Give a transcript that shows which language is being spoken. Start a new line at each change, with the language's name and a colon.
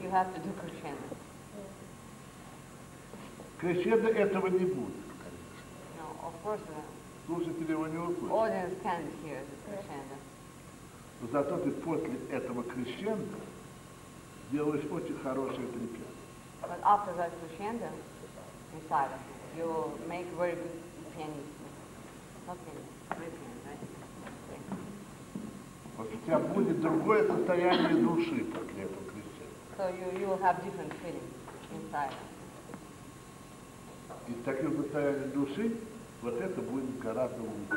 English: You have to do crescendo.
Russian: Крещендо этого не будет, конечно.
English: No, of course.
Russian: Слушатели его не услышат.
English: Audience can't hear the crescendo.
Russian: Но зато ты после этого крещендо делаешь очень хорошее припев.
English: But after that crescendo, inside of it, you make very good pianist. Not pianist, right?
Russian: Вот у тебя будет другое состояние души после этого крещендо.
English: So you will have different feeling inside.
Russian: И в таком состоянии души вот это будет гораздо лучше.